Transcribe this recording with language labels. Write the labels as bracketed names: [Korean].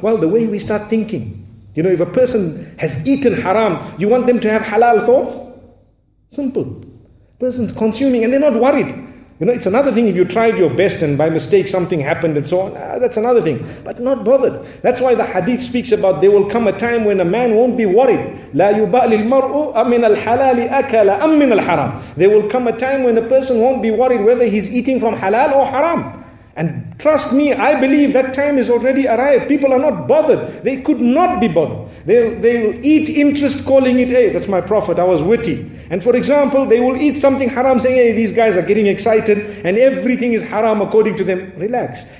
[English] Well, the way we start thinking, you know, if a person has eaten haram, you want them to have halal thoughts? Simple. Person's consuming and they're not worried. You know, it's another thing if you tried your best and by mistake something happened and so on. That's another thing. But not bothered. That's why the hadith speaks about there will come a time when a man won't be worried. [Arabic] لا يبالي المرء أمن الحلال أكل أم من الحرام. [English] There will come a time when a person won't be worried whether he's eating from halal or haram. And trust me, I believe that time is already arrived. People are not bothered. They could not be bothered. They'll eat interest calling it, hey, that's my prophet, I was witty. And for example, they will eat something haram saying, hey, these guys are getting excited and everything is haram according to them. Relax.